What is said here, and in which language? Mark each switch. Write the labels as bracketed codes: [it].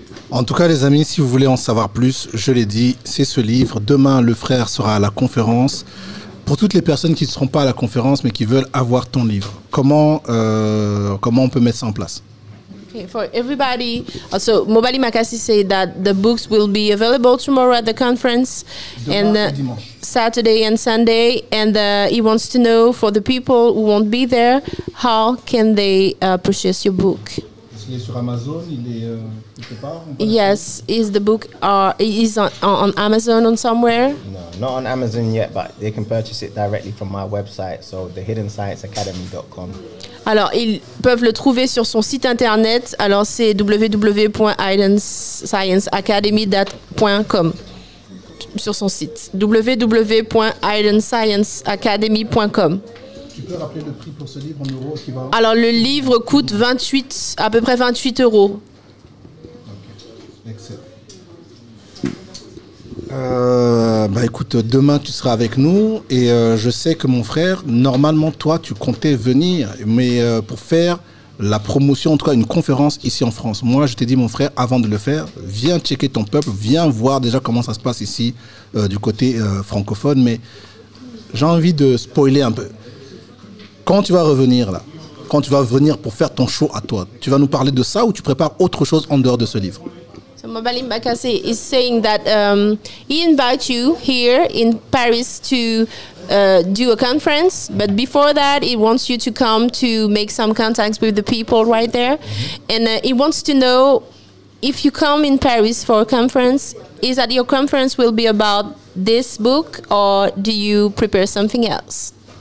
[fr] En tout cas, les amis, si vous voulez en savoir plus, je l'ai dit, c'est ce livre. Demain, le frère sera à la conférence. Pour toutes les personnes qui ne seront pas à la conférence, mais qui veulent avoir ton livre, comment on peut mettre ça en place? [en] For everybody, also Mobali Makassi said that the books will be available tomorrow at the conference, and Saturday and Sunday, and he wants to know for the people who won't be there, how can they purchase your book? Yes, is the book is on Amazon or somewhere? No, not on Amazon yet, but they can purchase it directly from my website, so thehiddenscienceacademy.com. [fr] Alors, ils peuvent le trouver sur son site internet. Alors, c'est www.hiddenscienceacademy.com. Sur son site. www.hiddenscienceacademy.com. Tu peux rappeler le prix pour ce livre en euros qui va... Alors, le livre coûte 28, à peu près 28 euros. Ok, excellent. Bah écoute, demain tu seras avec nous et je sais que mon frère, normalement toi tu comptais venir, mais pour faire la promotion, en tout cas une conférence ici en France. Moi je t'ai dit mon frère, avant de le faire, viens checker ton peuple, viens voir déjà comment ça se passe ici du côté francophone, mais j'ai envie de spoiler un peu. Quand tu vas revenir là, quand tu vas venir pour faire ton show à toi, tu vas nous parler de ça ou tu prépares autre chose en dehors de ce livre? [en] Mabalim Bakassi is saying that he invites you here in Paris to do a conference, but before that he wants you to come to make some contacts with the people right there, and he wants to know if you come in Paris for a conference, is that your conference will be about this book or do you prepare something else?